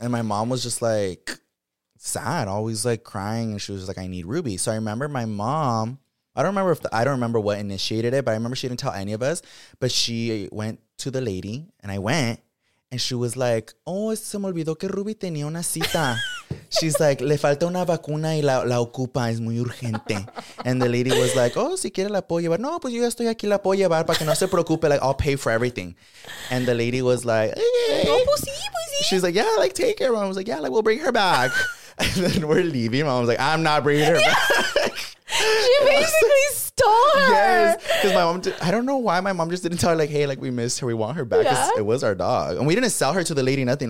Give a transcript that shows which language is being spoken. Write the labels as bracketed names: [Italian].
[English] And my mom was just, like, sad, always, like, crying, and she was like, I need Ruby. So I remember my mom, I don't remember what initiated it, but I remember she didn't tell any of us, but she went to the lady and I went and she was like, oh, [Spanish] se me olvidó que Ruby tenía una cita. [English] She's like, [Spanish] le falta una vacuna y la ocupa, es muy urgente. [English] And the lady was like, [Spanish] oh, si quiere la puedo llevar. No, pues yo ya estoy aquí, la puedo llevar para que no se preocupe, [English] like, I'll pay for everything. And the lady was like, [Spanish] hey. No, pues sí, pues sí. [English] She's like, yeah, like, take care. Mom was like, yeah, like, we'll bring her back. And then we're leaving. Mom was like, I'm not bringing her back. She basically stole her. Yes, because my mom I don't know why my mom just didn't tell her, like, hey, like, we missed her, we want her back, because it was our dog. And we didn't sell her to the lady, nothing.